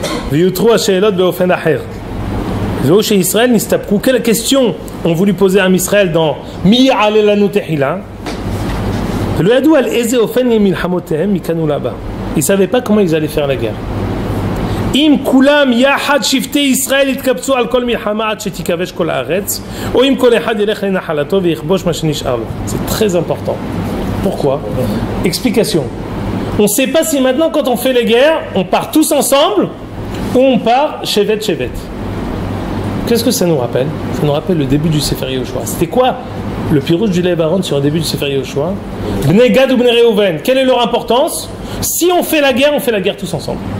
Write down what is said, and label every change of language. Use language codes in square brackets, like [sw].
[he] ויותרו השאלות באופן אחר. זהו שישראל נסתפקו. [fr] Quelle question ont voulu poser à Israël dans [he] מי יעלה לנו תחילה? ולא ידעו על איזה אופן מלחמותיהם מכאן ולהבא. [fr] Ils ne savaient pas comment ils allaient faire la guerre. [he] אם כולם יחד שבטי ישראל יתקבצו על כל מלחמה עד שתיכבש כל הארץ, או אם כל אחד ילך לנחלתו ויכבוש מה שנשאר לו. [fr] C'est très important. Pourquoi? Explication. On ne sait pas si maintenant, quand on fait les guerres, on part tous ensemble ou on part chevet chevet. Qu'est-ce que ça nous rappelle? Ça nous rappelle le début du Sefer Yehoshua. C'était quoi le pirouche du Lébaron sur le début du Sefer Yehoshua? Bnei Gad ou Bnei Reuven, quelle est leur importance? Si on fait la guerre, on fait la guerre tous ensemble.